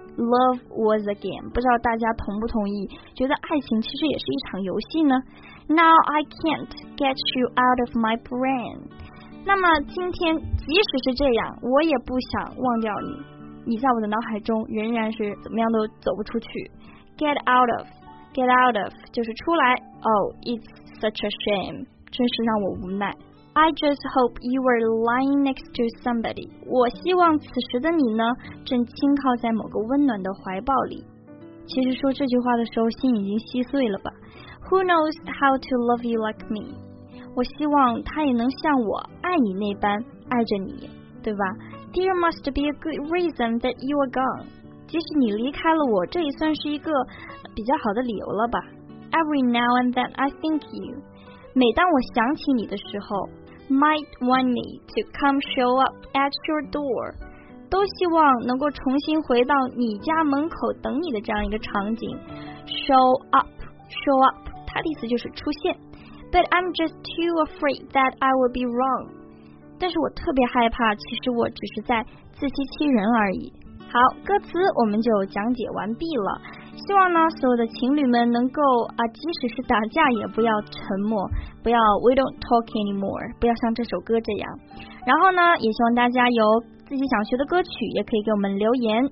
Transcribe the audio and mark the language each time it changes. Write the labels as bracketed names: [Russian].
[English] Love was a game， [Chinese] 不知道大家同不同意，觉得爱情其实也是一场游戏呢。 [English] Now I can't get you out of my brain， [Chinese] 那么今天即使是这样，我也不想忘掉你，你在我的脑海中仍然是怎么样都走不出去。 [English] Get out of， [Chinese] 就是出来。 [English] Oh it's such a shame， [Chinese] 真是让我无奈。 [English] I just hope you were lying next to somebody. [Chinese] 我希望此时的你呢，正倾靠在某个温暖的怀抱里。其实说这句话的时候，心已经稀碎了吧。 [English] Who knows how to love you like me? [Chinese] 我希望他也能像我爱你那般爱着你，对吧？ [English] There must be a good reason that you are gone. [Chinese] 即使你离开了我，这也算是一个比较好的理由了吧。 [English] Every now and then I think you. [Chinese] 每当我想起你的时候 [English] Might want me to come show up at your door [Chinese] 都希望能够重新回到你家门口等你的这样一个场景 Show up 它的意思就是出现 [English] But I'm just too afraid that I will be wrong [Chinese] 但是我特别害怕其实我只是在自欺欺人而已好歌词我们就讲解完毕了希望呢所有的情侣们能够啊，即使是打架也不要沉默不要 [English] we don't talk anymore [Chinese] 不要像这首歌这样然后呢也希望大家有自己想学的歌曲也可以给我们留言